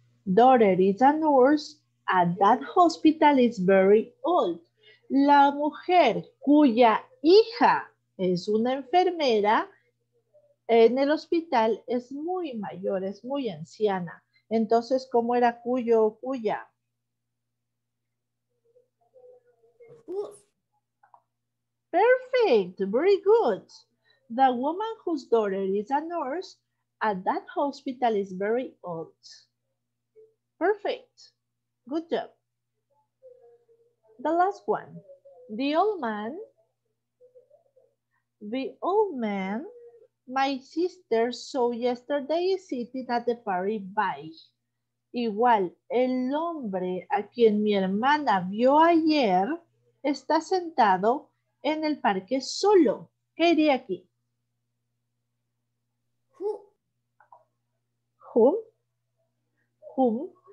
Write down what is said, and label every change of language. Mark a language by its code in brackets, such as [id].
[en] Daughter is a nurse at that hospital is very old. [es] La mujer cuya hija es una enfermera en el hospital es muy mayor, es muy anciana. Entonces, ¿cómo era cuyo o cuya? [en] Perfect, very good. The woman whose daughter is a nurse at that hospital is very old. Perfect. Good job. The last one. The old man. The old man my sister saw yesterday sitting at the party by. [es] Igual, el hombre a quien mi hermana vio ayer está sentado en el parque solo. ¿Qué diría aquí? [en] Whom? Whom?